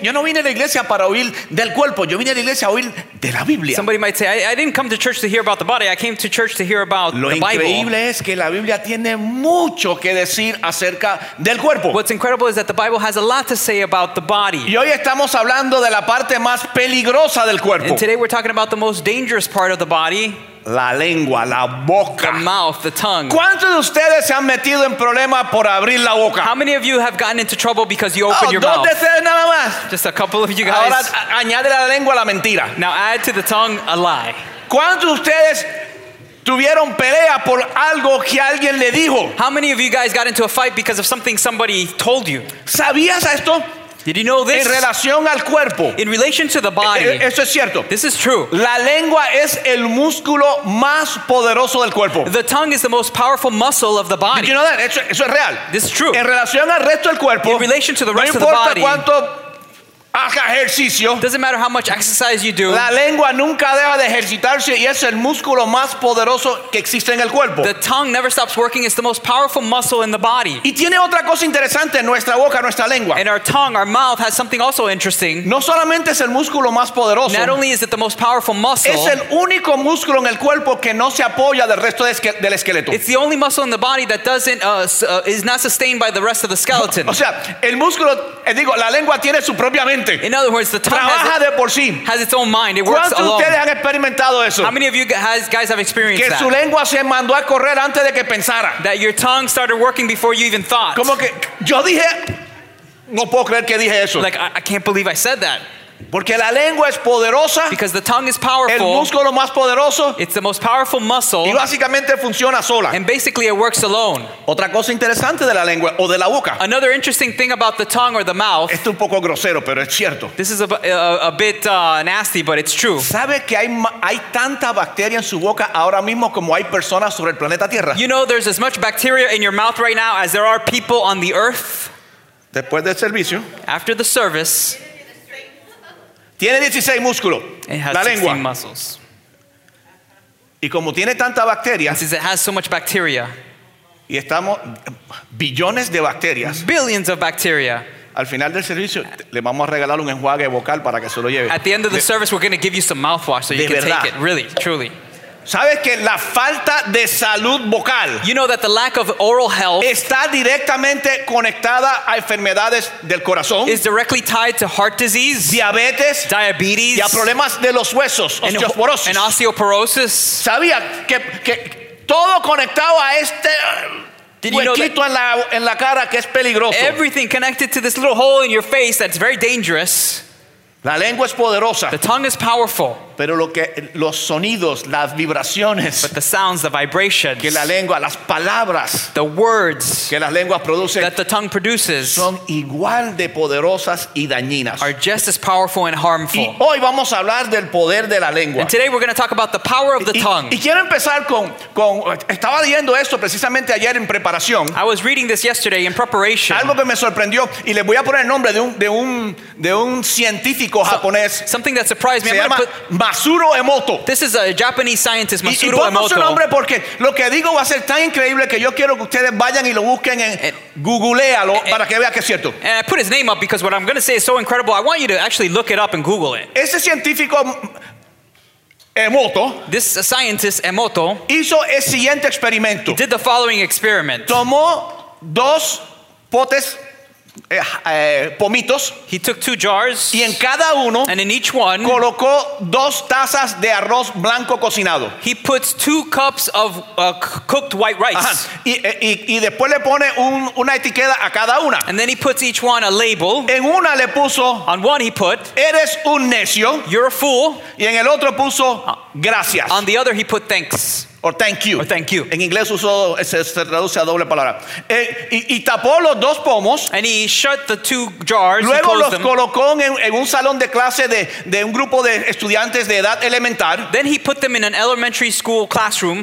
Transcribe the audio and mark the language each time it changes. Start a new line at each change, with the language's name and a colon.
Spanish: Yo no vine a la iglesia para oír del cuerpo. Yo vine a la iglesia a oír de la Biblia.
English: Somebody might say, I didn't come to church to hear about the body. I came to church to hear about
Spanish: Lo
English: the Bible.
Spanish: Lo increíble es que la Biblia tiene mucho que decir acerca del cuerpo.
English: What's incredible is that the Bible has a lot to say about the body.
Spanish: Y hoy estamos hablando de la parte más peligrosa del cuerpo.
English: And today we're talking about the most dangerous part of the body.
Spanish: La lengua, la boca.
English: The mouth, the tongue.
Spanish: ¿Cuántos de ustedes se han metido en problemas por abrir la boca?
English: How many of you have gotten into trouble because you opened your mouth?
Spanish: ¿Dónde está nada más?
English: Just a couple of you guys.
Spanish: Ahora añade la lengua a la mentira.
English: Now add to the tongue a lie.
Spanish: ¿Cuántos de ustedes tuvieron pelea por algo que alguien le dijo?
English: How many of you guys got into a fight because of something somebody told you?
Spanish: ¿Sabías esto?
English: Did you know this?
Spanish: En relación al cuerpo.
English: In relation to the body.
Spanish: Eso es cierto.
English: This is true.
Spanish: La lengua es el músculo más poderoso del cuerpo.
English: The tongue is the most powerful muscle of the body. Did you know that?
Spanish: Eso es real.
English: This is true.
Spanish: En relación al resto del cuerpo.
English: In relation to the rest
Spanish: no importa
English: of the body.
Spanish: Cuánto haga ejercicio.
English: Doesn't matter how much exercise you do.
Spanish: La lengua nunca deja de ejercitarse y es el músculo más poderoso que existe en el cuerpo.
English: The tongue never stops working. It's the most powerful muscle in the body.
Spanish: Y tiene otra cosa interesante en nuestra boca, nuestra lengua.
English: And our tongue, our mouth has something also interesting.
Spanish: No solamente es el músculo más poderoso.
English: Not only is it the most powerful muscle.
Spanish: Es el único músculo en el cuerpo que no se apoya del resto del esqueleto.
English: It's the only muscle in the body that doesn't is not sustained by the rest of the skeleton.
Spanish: O sea, el músculo, digo, la lengua tiene su propia mente.
English: In other words, the tongue has its own mind. It works alone. How many of you guys have experienced
Spanish: que su lengua se mandó a correr antes de que pensara?
English: That your tongue started working before you even thought.
Spanish: Como que, yo dije, no puedo creer que dije eso.
English: Like, I can't believe I said that.
Spanish: Porque la lengua es poderosa.
English: Because the tongue is powerful.
Spanish: El músculo más poderoso.
English: It's the most powerful muscle.
Spanish: Y básicamente funciona sola.
English: And basically it works alone.
Spanish: Otra cosa interesante de la lengua o de la boca.
English: Another interesting thing about the tongue or the mouth.
Spanish: Esto es un poco grosero, pero es cierto.
English: This is a bit nasty, but it's true.
Spanish: ¿Sabe que hay tanta bacteria en su boca ahora mismo como hay personas sobre el planeta Tierra?
English: You know there's as much bacteria in your mouth right now as there are people on the earth.
Spanish: Después del servicio.
English: After the service.
Spanish: Tiene 16 músculos.
English: It has
Spanish: la lengua.
English: 16 muscles.
Spanish: Y como tiene tanta bacteria.
English: And since it has so much bacteria.
Spanish: Y estamos billones de bacterias.
English: Billions of bacteria.
Spanish: Al final del servicio le vamos a regalar un enjuague vocal para que se lo lleve.
English: At the end of the service we're going to give you some mouthwash so you can
Spanish: verdad.
English: Take it. Really, truly.
Spanish: ¿Sabes que la falta de salud vocal
English: you know that the lack of oral health
Spanish: está directamente conectada a enfermedades del corazón?
English: Is directly tied to heart disease,
Spanish: diabetes,
English: diabetes
Spanish: y a problemas de los huesos, osteoporosis.
English: And osteoporosis.
Spanish: ¿Sabía que todo conectado a este huequito en la cara que es peligroso?
English: Everything connected to this little hole in your face that's very dangerous.
Spanish: La lengua es poderosa.
English: The tongue is powerful.
Spanish: Pero los sonidos, las vibraciones.
English: But the sounds, the vibrations.
Spanish: Que la lengua, las palabras.
English: The words.
Spanish: Que las lenguas producen.
English: That the tongue produces.
Spanish: Son igual de poderosas y dañinas.
English: Are just as powerful and harmful.
Spanish: Y hoy vamos a hablar del poder de la lengua.
English: And today we're going to talk about the power of the tongue.
Spanish: Y quiero empezar con estaba leyendo esto precisamente ayer en preparación.
English: I was reading this yesterday in preparation.
Spanish: Algo que me sorprendió y le voy a poner el nombre de un científico japonés.
English: Something that surprised me.
Spanish: Masuro Emoto.
English: This is a Japanese scientist, Masuro Emoto.
Spanish: Y pongo su nombre porque lo que digo va a ser tan increíble que yo quiero que ustedes vayan y lo busquen en Googlealo para que vean que es cierto.
English: And I put his name up because what I'm going to say is so incredible. I want you to actually look it up and Google it.
Spanish: Ese científico Emoto.
English: This scientist Emoto
Spanish: hizo el siguiente experimento.
English: He did the following experiment.
Spanish: Tomó dos potes. Pomitos.
English: He took two jars.
Spanish: Y en cada uno,
English: and in each one,
Spanish: colocó dos tazas de arroz blanco cocinado.
English: He puts two cups of cooked white rice. Ajá.
Spanish: Y después le pone una etiqueta a cada una.
English: And then he puts each one a label.
Spanish: En una le puso,
English: on one he put,
Spanish: eres un necio.
English: You're a fool.
Spanish: Y en el otro puso, gracias.
English: On the other he put thanks. Or thank you. Or thank you.
Spanish: En inglés uso, se traduce a doble palabra. Y tapó los dos pomos.
English: And he shut the two jars.
Spanish: Luego los
English: them.
Spanish: Colocó en un salón de clase de un grupo de estudiantes de edad elemental.
English: Then he put them in an elementary school classroom.